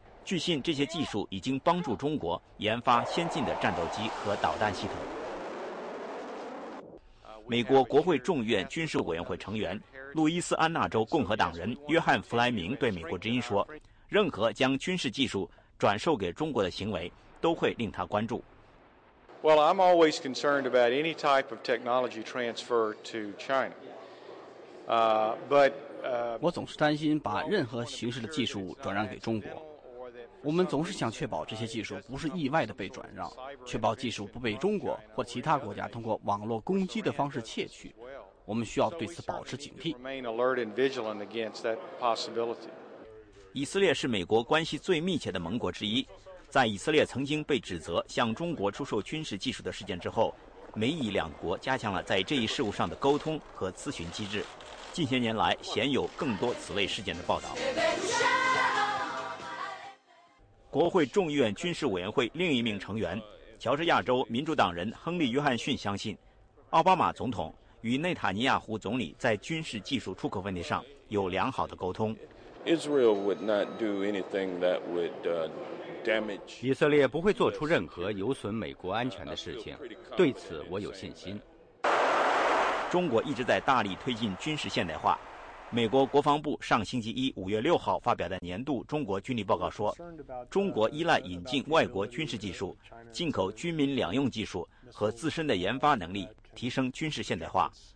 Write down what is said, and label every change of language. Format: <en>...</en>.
<zh>据信，这些技术已经帮助中国研发先进的战斗机和导弹系统。美国国会众院军事委员会成员、路易斯安那州共和党人约翰·弗莱明对《美国之音》说，任何将军事技术转售给中国的行为都会令他关注。</zh> <en>Well, I'm always concerned about any type of technology transfer to China. But</en> <zh>我总是担心把任何形式的技术转让给中国。我们总是想确保这些技术不是意外的被转让，确保技术不被中国或其他国家通过网络攻击的方式窃取。我们需要对此保持警惕。以色列是美国关系最密切的盟国之一。在以色列曾经被指责向中国出售军事技术的事件之后，美以两国加强了在这一事务上的沟通和咨询机制。近些年来，鲜有更多此类事件的报道。国会众议院军事委员会另一名成员、乔治亚州民主党人亨利·约翰逊相信，奥巴马总统与内塔尼亚胡总理在军事技术出口问题上有良好的沟通。</zh> <en>Israel would not do anything that would damage.</en> <zh>以色列不会做出任何有损美国安全的事情，对此我有信心。中国一直在大力推进军事现代化。美国国防部上星期一5月6号发表的年度中国军力报告说，中国依赖引进外国军事技术、进口军民两用技术和自身的研发能力提升军事现代化。</zh>